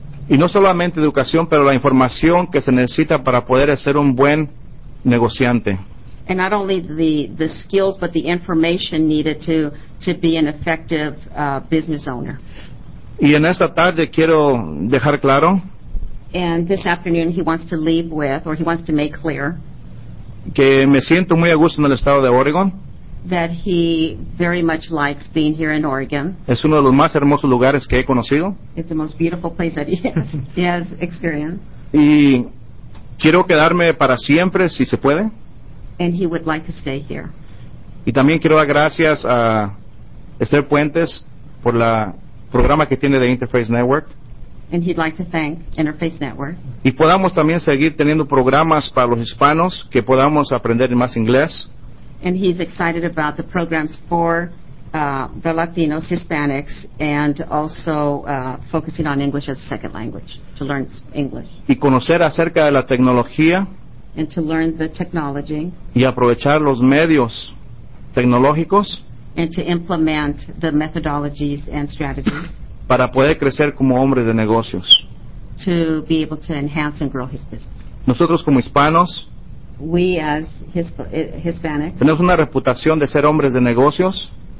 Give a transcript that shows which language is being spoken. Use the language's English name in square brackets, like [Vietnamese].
[Spanish] Y no solamente educación, pero la información que se necesita para poder ser un buen negociante. [English] And not only the skills, but the information needed to be an effective business owner. [Spanish] Y en esta tarde quiero dejar claro. [English] And this afternoon he wants to leave with, or he wants to make clear. [Spanish] Que me siento muy a gusto en el estado de Oregon. [English] That he very much likes being here in Oregon. [Spanish] Es uno de los más hermosos lugares que he conocido. [English] It's the most beautiful place that he has experienced. [Spanish] Y quiero quedarme para siempre, si se puede. [English] And he would like to stay here. [Spanish] Y también quiero dar gracias a Esther Puentes por la programa que tiene de Interface Network. [English] And he'd like to thank Interface Network. [Spanish] Y podamos también seguir teniendo programas para los hispanos que podamos aprender más inglés. [English] And he's excited about the programs for the Latinos, Hispanics, and also focusing on English as a second language, to learn English. [Spanish] Y conocer acerca de la tecnología. [English] And to learn the technology. [Spanish] Y aprovechar los medios tecnológicos. [English] And to implement the methodologies and strategies. [Spanish] Para poder crecer como hombre de negocios. [English] To be able to enhance and grow his business. [Spanish] Nosotros como hispanos. [English] We as Hispanics. [Spanish] Tenemos una reputación de ser hombres de negocios.